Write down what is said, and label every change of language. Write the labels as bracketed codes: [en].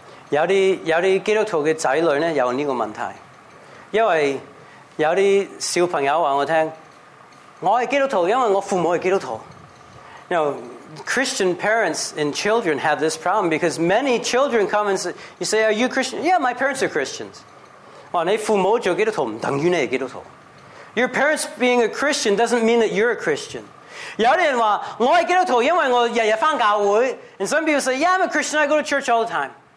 [zh] 有些基督徒的子女呢,有这个问题.因为有些小朋友告诉我听, 我是基督徒,因为我父母是基督徒. [en] You know, Christian parents and children have this problem because many children come and say, you say, are you Christian? Yeah, my parents are Christians. [zh] 哇,你父母做基督徒,不等于你是基督徒. [en] Your parents being a Christian doesn't mean that you're a Christian. [zh] 有些人说,我是基督徒,因为我日日回教会. [en] And some people say, yeah, I'm a Christian, I go to church all the time.